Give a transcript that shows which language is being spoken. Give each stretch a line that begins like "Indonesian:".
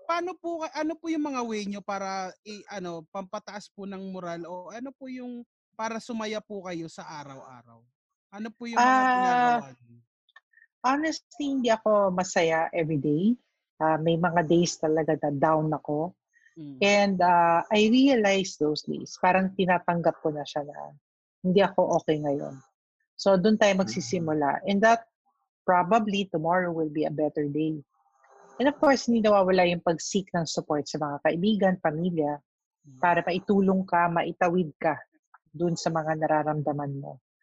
Filipino: Paano po ano po yung mga way niyo para pampataas po ng moral o ano po yung para sumaya po kayo sa araw-araw? Ano po yung ginagawa niyo? Honestly, hindi ako masaya every day. May mga days talaga na down ako.
English: And I realized those days,
Filipino: parang tinatanggap ko na siya na hindi ako okay ngayon. So doon tayo magsisimula.
English: And that probably tomorrow will be a better day.
Filipino: And of course, hindi nawawala yung pag-seek ng support sa mga kaibigan, pamilya, para maitulong ka, maitawid ka doon sa mga nararamdaman mo.